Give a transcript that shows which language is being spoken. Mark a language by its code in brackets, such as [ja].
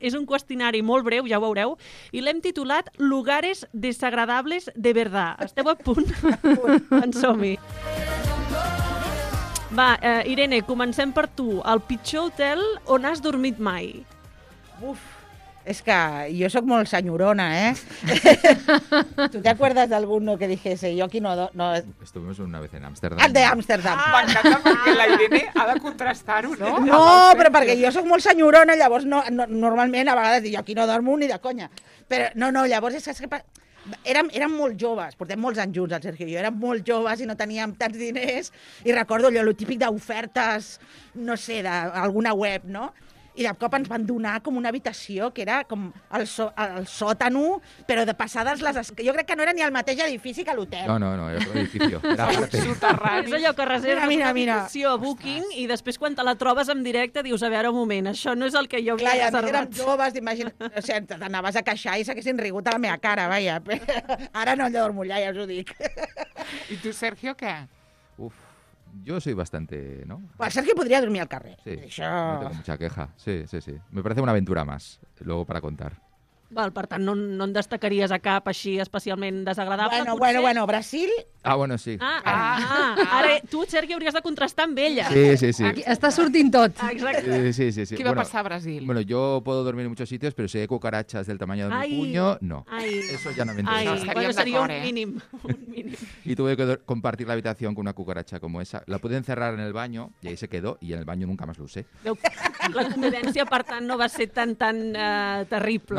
[ca] És un qüestionari molt breu, ja ho veureu, i l'hem titulat [es] Lugares desagradables de verdad. [ca] Esteu a punt? En som-hi. Va, Irene, comencem per tu. El pitjor hotel on has dormit mai? Uf, és que jo sóc molt senyorona, eh? [es] ¿Tú te acuerdas de alguno que dijese yo aquí no... Estuvimos una vez en Ámsterdam. El de Ámsterdam. [ca] Ah, m'encanta perquè la Irene ha de contrastar-ho, no? No, però perquè jo sóc molt senyorona, llavors normalment a vegades jo aquí no dormo ni de conya. Però no, llavors és que... Érem molt joves, portem molts anys junts, el Sergio i jo, érem molt joves i no teníem tants diners, i recordo allò, el típic d'ofertes, no sé, d'alguna web, no? I de cop ens van donar com una habitació que era com el sòtano, però de passades les... Jo crec que no era ni el mateix edifici que l'hotel. No, era l'edifici. Soterrani. És allò que reserves una habitació a Booking i després quan te la trobes en directe dius, a veure, un moment, això no és el que jo havia reservat. Clar, i a mi érem joves, imagina't. O sigui, t'anaves a queixar i s'haguessin rigut a la meva cara, vaja. Ara no dormo allà, ja us ho dic. I tu, Sergio, què? [es] Uf. Yo soy bastante, ¿no? Pues Sergio podría dormir [ca] al carrer. [es] Sí, això... no tengo mucha queja. Sí. Me parece una aventura más, luego para contar. [ca] Val, per tant, no en destacaries a cap així especialment desagradable, bueno, potser? Bueno, Brasil... Ah, bueno, sí. Ara tu, Sergio, hauries de contrastar amb ella. Sí. Aquí està sortint tot. Exacte. Sí. Què va passar a Brasil? [es] Bueno, yo puedo dormir en muchos sitios, pero si hay cucarachas del tamaño de mi puño, no. Eso ya no me interesa. [ca] Bueno, seria un mínim. [es] Y tuve que compartir la habitación con una cucaracha como esa. La pude encerrar en el baño, y ahí se quedó, y en el baño nunca más lo usé. [ca] La convivència, per tant, no va ser tan terrible.